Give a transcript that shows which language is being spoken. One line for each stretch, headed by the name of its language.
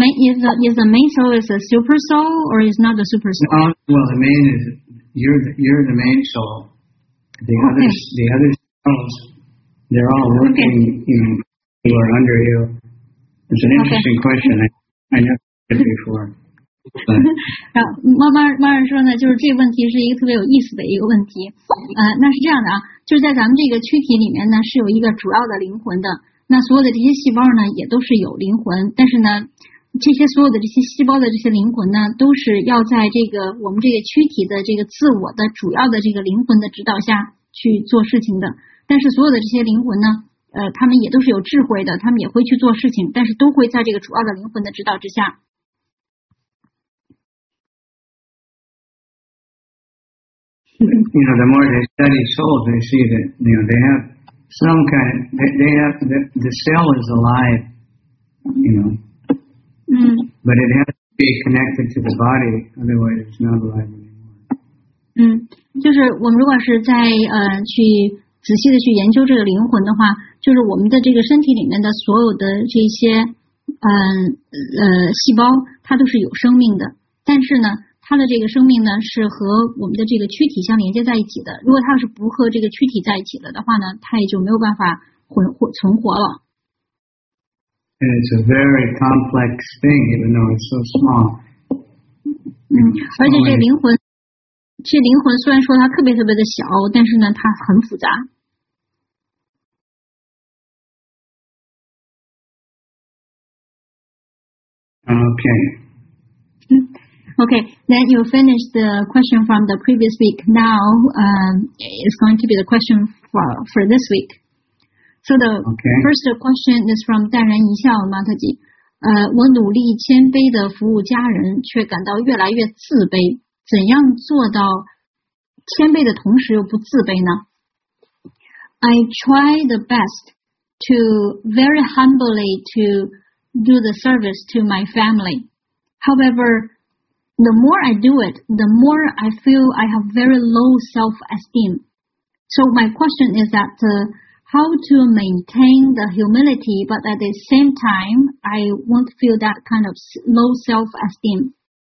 English: Is the main soul is a super soul or is not a super soul? No, well, the main is, you're the main soul. The other cells, they're all working, you know,or under you. It's an interesting question. I never heard it before.
Chinese: 妈妈说呢，就是这个问题是一个特别有意思的一个问题。那是这样的啊，就是在咱们这个躯体里面呢，是有一个主要的灵魂的。那所有的这些细胞呢，也都是有灵魂，但是呢，这些所有的这些细胞的这些灵魂呢，都是要在这个我们这个躯体的这个自我的主要的这个灵魂的指导下去做事情的。但是所有的这些灵魂呢，他们也都是有智慧的，他们也会去做事情，但是都会在这个主要的灵魂的指导之下。
English: You know, the more they study souls, they see that, you know, they have some kind of, they have, the cell is alive, you know. But it has to be connected to the body, otherwise it's not alive anymore.
Chinese: 就是我们如果是在去仔细的去研究这个灵魂的话，就是我们的这个身体里面的所有的这些细胞，它都是有生命的，但是呢，它的这个生命呢是和我们的这个躯体相连接在一起的。如果它是不和这个躯体在一起了的话呢，它也就没有办法存活了。
English: And it's a very complex thing, even though it's so small.
Chinese: 而且这个灵魂，虽然说它特别特别的小，但是呢，它很复杂。
English: Okay. Then you finished the question from the previous week. Now, it's going to be the question for this week. So the first question is from 淡然一笑 Mataji.
Chinese: 我努力谦卑的服务家人，却感到越来越自卑。怎样做到谦卑的同时又不自卑呢？
English: I try the best to very humbly to. Do the service to my family. However, the more I do it, the more I feel I have very low self-esteem. So my question is that how to maintain the humility, but at the same time, I won't feel that kind of low self-esteem.